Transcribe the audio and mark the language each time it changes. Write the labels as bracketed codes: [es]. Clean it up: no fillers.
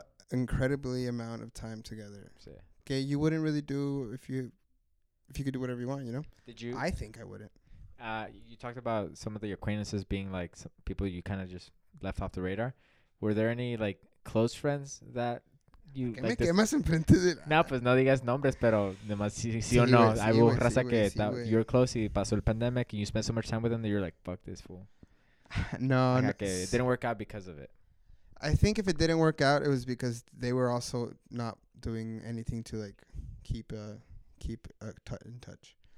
[en] Incredibly amount of time together. Okay, [es] sí. [en] You wouldn't really do if you could do whatever you want, you know? Did you? I think I wouldn't. You talked about some of the acquaintances being like people you kind of just left off the radar. Were there any like close friends that you like? [es] Me quemas enfrente de la... No, pues no digas nombres, pero sí o no. Hay un raza que [en] you're close [es] y pasó el [en] pandemic and you spent so much time with them that you're like, fuck this fool. [es] No, [en] like, [es] no. [en] Okay, it didn't work out because of it. I think if it didn't work out, it was because they were also not doing anything to, like, keep in touch.